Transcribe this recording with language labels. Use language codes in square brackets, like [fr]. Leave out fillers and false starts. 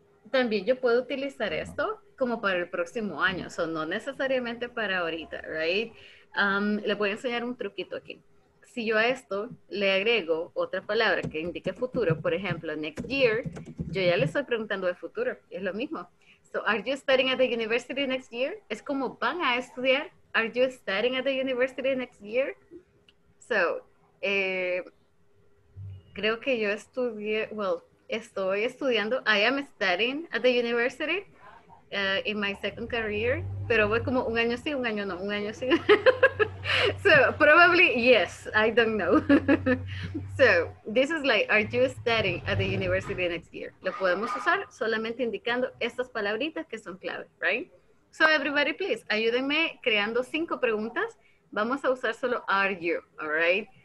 [es] También yo puedo utilizar esto como para el próximo año. So, no necesariamente para ahorita, right? Le voy a enseñar un truquito aquí. Si yo a esto le agrego otra palabra que indique futuro, por ejemplo, [en] next year, [es] yo ya le estoy preguntando el futuro. Es lo mismo. [en] So, are you studying at the university next year? [es] Es como, ¿van a estudiar? [en] Are you studying at the university next year? [es] So, creo que yo estudié, well, estoy estudiando, [en] I am studying at the university in my second career, [es] pero voy como un año sí, un año no, un año sí. [en] So, probably, yes, I don't know. So, this is like, are you studying at the university next year? [es] Lo podemos usar solamente indicando estas palabritas que son clave, right? [en] So, everybody, please, [es] ayúdenme creando 5 preguntas. Vamos a usar solo [en] are you, all right?